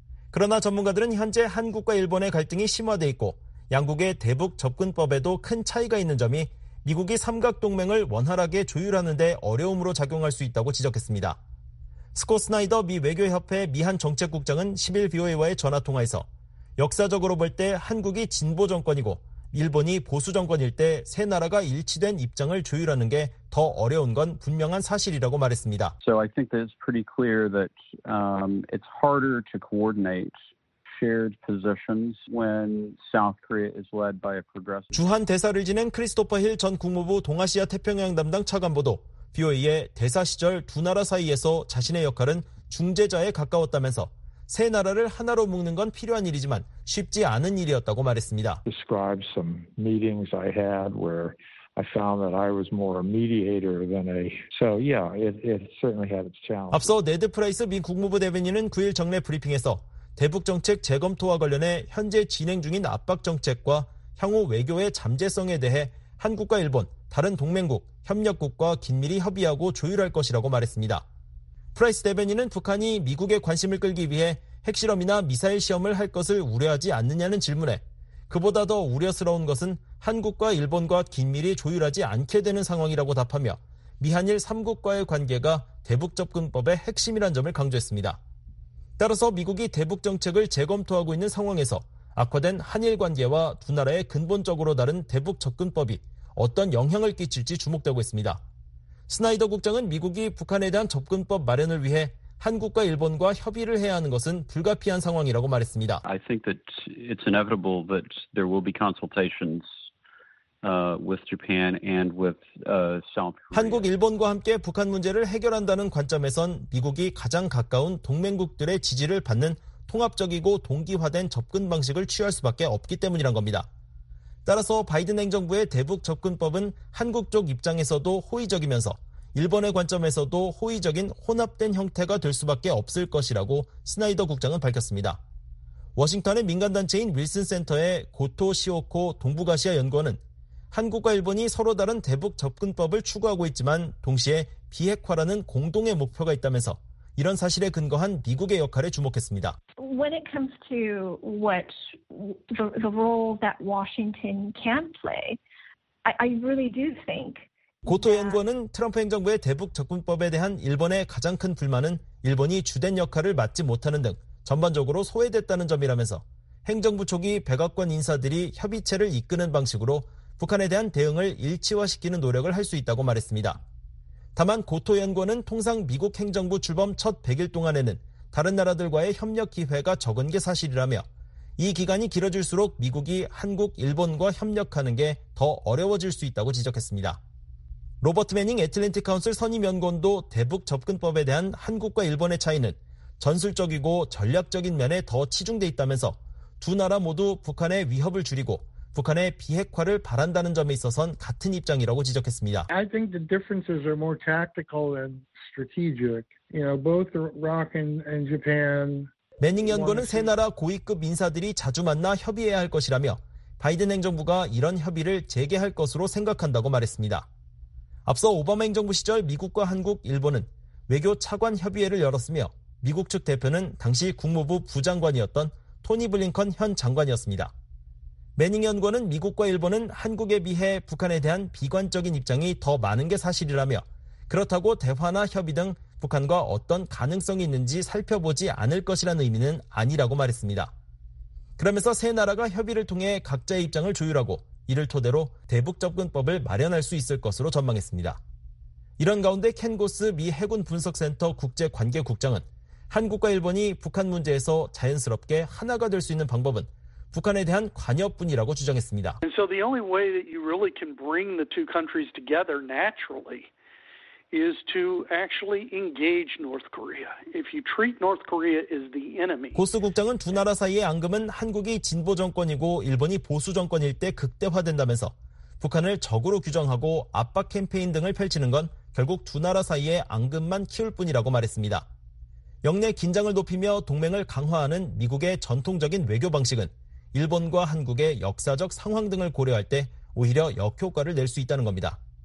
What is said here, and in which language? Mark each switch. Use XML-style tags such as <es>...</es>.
<ko>그러나 전문가들은 현재 한국과 일본의 갈등이 심화돼 있고 양국의 대북 접근법에도 큰 차이가 있는 점이 미국이 삼각동맹을 원활하게 조율하는 데 어려움으로 작용할 수 있다고 지적했습니다. 스콧 스나이더 미 외교협회 미한정책국장은 10일 BOA와의 전화통화에서 역사적으로 볼 때 한국이 진보 정권이고 일본이 보수 정권일 때 세 나라가 일치된 입장을 조율하는 게 더 어려운 건 분명한 사실이라고 말했습니다.</ko> <en>So I think that it's pretty clear that it's harder to coordinate shared positions when South Korea is led by a progressive.</en> <ko>주한 대사를 지낸 크리스토퍼 힐 전 국무부 동아시아 태평양 담당 차관보도 BOA의 대사 시절 두 나라 사이에서 자신의 역할은 중재자에 가까웠다면서 세 나라를 하나로 묶는 건 필요한 일이지만 쉽지 않은 일이었다고 말했습니다.</ko> <en>Describe some meetings I had where I found that I was more a mediator than a. So yeah, it certainly had its challenge.</en> <ko>앞서 네드 프라이스 미 국무부 대변인은 9일 정례 브리핑에서 대북 정책 재검토와 관련해 현재 진행 중인 압박 정책과 향후 외교의 잠재성에 대해 한국과 일본, 다른 동맹국, 협력국과 긴밀히 협의하고 조율할 것이라고 말했습니다. 프라이스 대변인은 북한이 미국의 관심을 끌기 위해 핵실험이나 미사일 시험을 할 것을 우려하지 않느냐는 질문에 그보다 더 우려스러운 것은 한국과 일본과 긴밀히 조율하지 않게 되는 상황이라고 답하며 미한일 3국과의 관계가 대북 접근법의 핵심이란 점을 강조했습니다. 따라서 미국이 대북 정책을 재검토하고 있는 상황에서 악화된 한일 관계와 두 나라의 근본적으로 다른 대북 접근법이 어떤 영향을 끼칠지 주목되고 있습니다. 스나이더 국장은 미국이 북한에 대한 접근법 마련을 위해 한국과 일본과 협의를 해야 하는 것은 불가피한 상황이라고 말했습니다.</ko> <en>I think that it's inevitable that there will be consultations with Japan and with South Korea.</en> <ko>한국, 일본과 함께 북한 문제를 해결한다는 관점에선 미국이 가장 가까운 동맹국들의 지지를 받는 통합적이고 동기화된 접근 방식을 취할 수밖에 없기 때문이란 겁니다. 따라서 바이든 행정부의 대북 접근법은 한국 쪽 입장에서도 호의적이면서 일본의 관점에서도 호의적인 혼합된 형태가 될 수밖에 없을 것이라고 스나이더 국장은 밝혔습니다. 워싱턴의 민간단체인 윌슨 센터의 고토 시오코 동북아시아 연구원은 한국과 일본이 서로 다른 대북 접근법을 추구하고 있지만 동시에 비핵화라는 공동의 목표가 있다면서 이런 사실에 근거한 미국의 역할에 주목했습니다.</ko> <en>When it comes to what the role that Washington can play, I really do think.</en> <ko>고토 연구원은 트럼프 행정부의 대북 접근법에 대한 일본의 가장 큰 불만은 일본이 주된 역할을 맡지 못하는 등 전반적으로 소외됐다는 점이라면서 행정부 초기 백악관 인사들이 협의체를 이끄는 방식으로 북한에 대한 대응을 일치화시키는 노력을 할 수 있다고 말했습니다. 다만 고토 연구원은 통상 미국 행정부 출범 첫 100일 동안에는 다른 나라들과의 협력 기회가 적은 게 사실이라며 이 기간이 길어질수록 미국이 한국, 일본과 협력하는 게 더 어려워질 수 있다고 지적했습니다. 로버트 매닝 애틀랜틱 카운슬 선임 연구원도 대북 접근법에 대한 한국과 일본의 차이는 전술적이고 전략적인 면에 더 치중돼 있다면서 두 나라 모두 북한의 위협을 줄이고 북한의 비핵화를 바란다는 점에 있어선 같은 입장이라고 지적했습니다.</ko> <en>I think the differences are more tactical than strategic. You know, both Iraq and Japan.</en> <ko>매닝 연구는 세 나라 고위급 인사들이 자주 만나 협의해야 할 것이라며 바이든 행정부가 이런 협의를 재개할 것으로 생각한다고 말했습니다. 앞서 오바마 행정부 시절 미국과 한국, 일본은 외교 차관 협의회를 열었으며 미국 측 대표는 당시 국무부 부장관이었던 토니 블링컨 현 장관이었습니다. 매닝 연구원은 미국과 일본은 한국에 비해 북한에 대한 비관적인 입장이 더 많은 게 사실이라며 그렇다고 대화나 협의 등 북한과 어떤 가능성이 있는지 살펴보지 않을 것이라는 의미는 아니라고 말했습니다. 그러면서 세 나라가 협의를 통해 각자의 입장을 조율하고 이를 토대로 대북 접근법을 마련할 수 있을 것으로 전망했습니다. 이런 가운데 켄고스 미 해군 분석센터 국제관계국장은 한국과 일본이 북한 문제에서 자연스럽게 하나가 될 수 있는 방법은 북한에 대한 관여뿐이라고 주장했습니다.</ko> <en>And so the only way that you really can bring the two countries together naturally is to actually engage North Korea. If you treat North Korea as the enemy.</en> <ko>고스 국장은 두 나라 사이의 앙금은 한국이 진보 정권이고 일본이 보수 정권일 때 극대화된다면서 북한을 적으로 규정하고 압박 캠페인 등을 펼치는 건 결국 두 나라 사이의 앙금만 키울 뿐이라고 말했습니다. 역내 긴장을 높이며 동맹을 강화하는 미국의 전통적인 외교 방식은 일본과 한국의 역사적 상황 등을 고려할 때 오히려 역효과를 낼 수 있다는 겁니다.</ko>